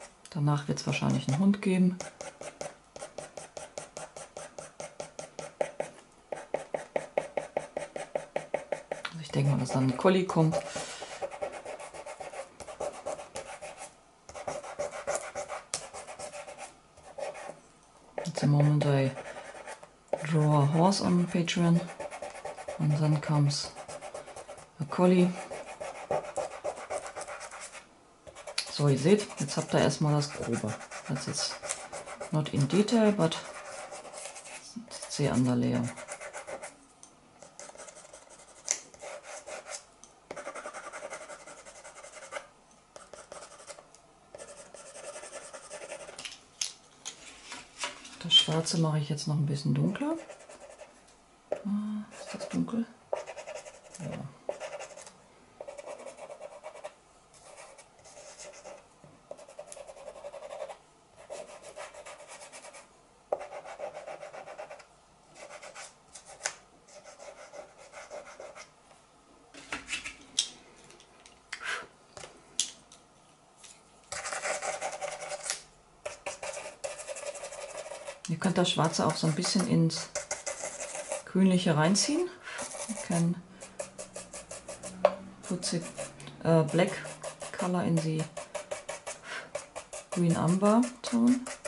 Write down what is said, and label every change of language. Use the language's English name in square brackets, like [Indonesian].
[German] Danach wird es wahrscheinlich einen Hund geben. Ich denke mal, dass dann ein Collie kommt. [English] At the moment I draw a horse on Patreon and then comes a Collie. [German] So, ihr seht, jetzt habt ihr erstmal das Grobe. Das ist [English] not in detail, but [German] sehr underlayer. Das Schwarze mache ich jetzt noch ein bisschen dunkler. Ist das dunkel? Ja. Ihr könnt das Schwarze auch so ein bisschen ins Grünliche reinziehen. [English] You can put the black color in the green amber tone.